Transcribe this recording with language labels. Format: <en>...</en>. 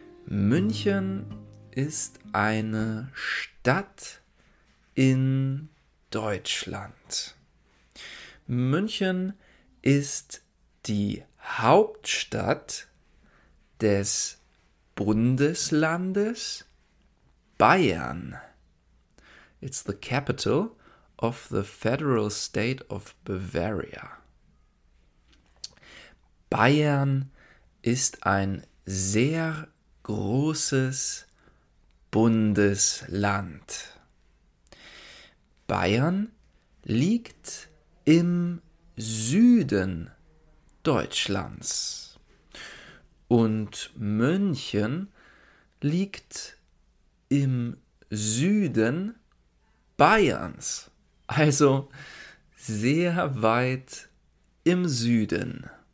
<de>München ist eine Stadt in Deutschland. München ist die Hauptstadt des Bundeslandes Bayern.</de> <en>It's the capital of the federal state of Bavaria.</en> <de>Bayern ist ein sehr großes Bundesland. Bayern liegt im Süden Deutschlands und München liegt im Süden Bayerns, also sehr weit im Süden.</de>